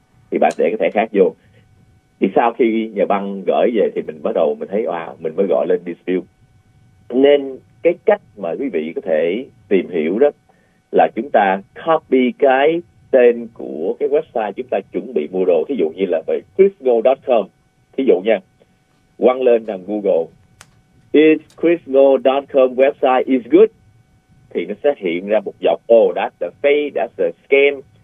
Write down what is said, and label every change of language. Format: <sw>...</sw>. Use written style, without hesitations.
<vi>Thì bạn để cái thẻ khác vô. Thì sau khi nhà băng gửi về thì mình bắt đầu mình thấy, wow, mình mới gọi lên dispute. Nên cái cách mà quý vị có thể tìm hiểu đó là chúng ta copy cái tên của cái website chúng ta chuẩn bị mua đồ. Thí dụ như là về chrisgo.com. Thí dụ nha, quăng lên đằng Google.</vi> <en>Is chrisgo.com website is good?</en> <vi>Thì nó sẽ hiện ra một dọc,</vi> <en>oh, that's a fake, that's a scam.</en>